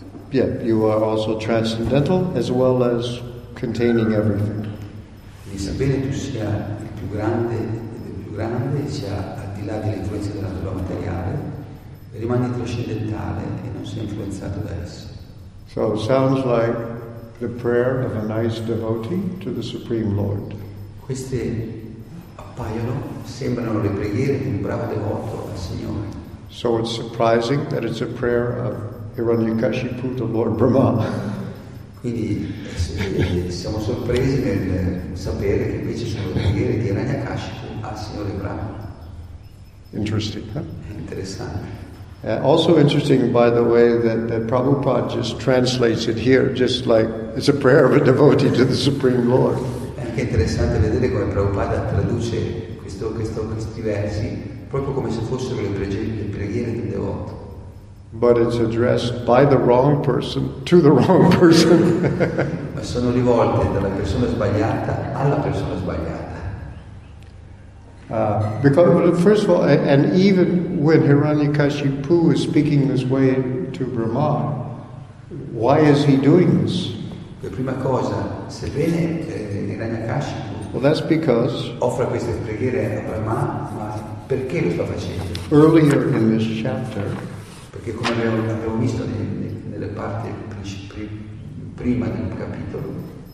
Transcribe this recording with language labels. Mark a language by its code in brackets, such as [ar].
[en] yeah, you are also transcendental as well as containing everything. [it] Di sapere tu sia il più grande sia al di là delle influenze della natura materiale, rimani trascendentale e non sei influenzato da esso. [en] So it sounds like the prayer of a nice devotee to the Supreme Lord. [it] Queste appaiono, sembrano le preghiere di un bravo devoto al Signore. [en] So it's surprising that it's a prayer of Hiranyakashipu, the Lord Brahma. [it] Quindi siamo sorpresi nel sapere che invece sono le preghiere di Hiranyakashipu al Signore Brahma. [en] Interesting, huh? [it] Interessante. [en] Also interesting, by the way, that Prabhupada just translates it here, just like it's a prayer of a devotee to the Supreme Lord. [it] È anche interessante vedere come Prabhupada traduce questi versi proprio come se fossero le preghiere del devoto. [en] But it's addressed by the wrong person to the wrong person. [it] Ma sono rivolte dalla persona sbagliata alla persona sbagliata. [en] First of all, and even when Hiranyakashipu is speaking this way to Brahma, why is he doing this? [it] La prima cosa, sebbene Hiranyakashipu. [en] Well, that's because. [it] Offre queste preghiere a Brahma, ma perché lo sta facendo? [en] Earlier in this chapter. [it] Perché come abbiamo visto nelle parti prima del capitolo.